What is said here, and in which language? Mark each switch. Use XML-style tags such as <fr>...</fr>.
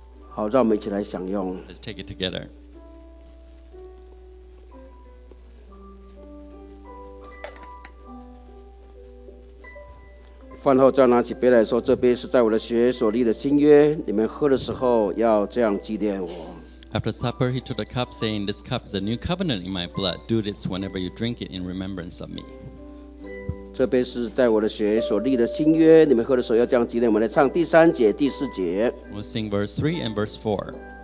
<zh>好，让我们一起来享用。</zh> <en>Let's take it together.</en> <zh>饭后再拿起杯来说，这杯是在我的血所立的新约，你们喝的时候要这样纪念我。</zh> <en>After supper, he took the cup, saying, This cup is a new covenant in my blood. Do this whenever you drink it in remembrance of me.</en> <zh>这杯是在我的血所立的新约，你们喝的时候要这样纪念。我们来唱第三节、第四节。</zh> <en>We'll sing verse 3 and verse 4.</en>